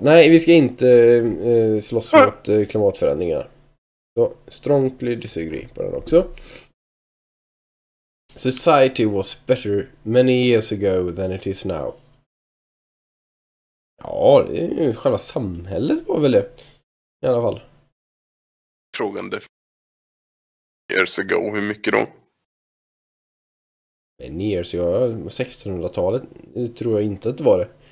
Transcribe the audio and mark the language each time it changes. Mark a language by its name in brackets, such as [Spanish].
[Swedish] Nej, vi ska inte slåss mot klimatförändringar. Så, [English] strongly disagree [Swedish] på den också. [English] Society was better many years ago than it is now. [Swedish] Ja, det är ju själva samhället var väl det. I alla fall. Frågan det. [English] Years ago, [Swedish] hur mycket då? [English] Many years ago, 1600-talet. [Swedish] Det tror jag inte att det var det.